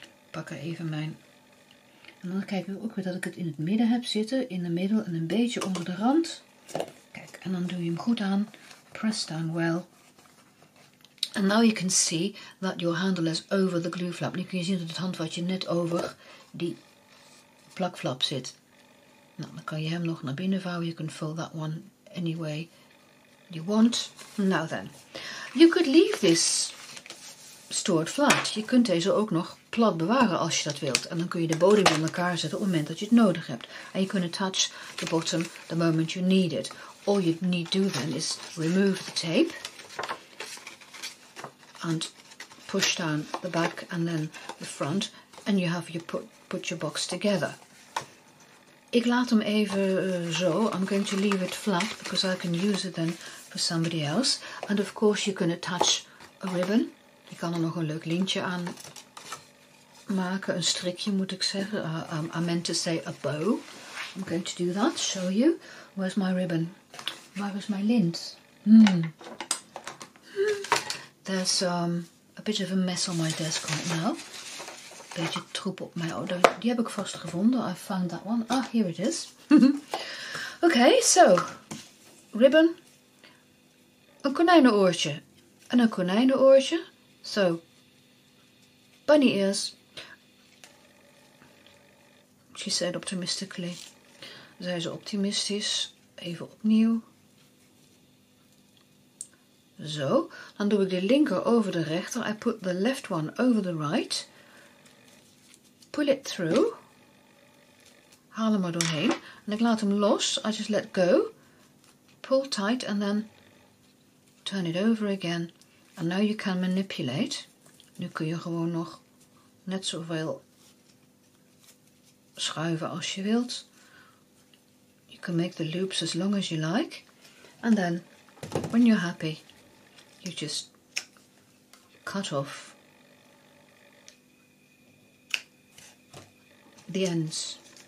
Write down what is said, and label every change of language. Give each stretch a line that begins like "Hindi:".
Dutch: Pak er even mijn. En dan kijken we ook weer dat ik het in het midden heb zitten. In de middel en een beetje onder de rand. Kijk, en dan doe je hem goed aan.
English: Press down well. And now you can see that your handle is over the glue flap.
Dutch: Nu kun je zien dat het handvatje net over die plakflap zit. Nou, dan kan je hem nog naar binnen vouwen.
English: You can fold that one any way you want. Now then, you could leave this stored flat.
Dutch: Je kunt deze ook nog plat bewaren als je dat wilt. En dan kun je de bodem in elkaar zetten op het moment dat je het nodig hebt.
English: And you can attach the bottom the moment you need it. all you need do then is remove the tape and push down the back and then the front, and you have your put your box together.
Dutch: Ik laat hem even zo.
English: I'm going to leave it flat because I can use it then for somebody else. And of course you can attach a ribbon.
Dutch: Je kan er nog een leuk lintje aan maken, een strikje moet ik zeggen.
English: I meant to say a bow. I'm going to do that, show you. Where's my ribbon? Where was my lint? There's a bit of a mess on my desk right now.
Dutch: Beetje troep op mijn... Oh, die heb ik vast gevonden.
English: I found that one. Ah, here it is. Okay, so. Ribbon.
Dutch: Een konijnenoortje. En een konijnenoortje. So.
English: Bunny ears. She said optimistically.
Dutch: Zij is optimistisch. Even opnieuw. Zo. Dan doe ik de linker over de rechter.
English: I put the left one over the right. Pull it through.
Dutch: Haal hem er doorheen. En ik laat hem los.
English: I just let go. Pull tight and then turn it over again. And now you can manipulate.
Dutch: Nu kun je gewoon nog net zoveel schuiven als je wilt.
English: You can make the loops as long as you like. And then, when you're happy, you just cut off the ends.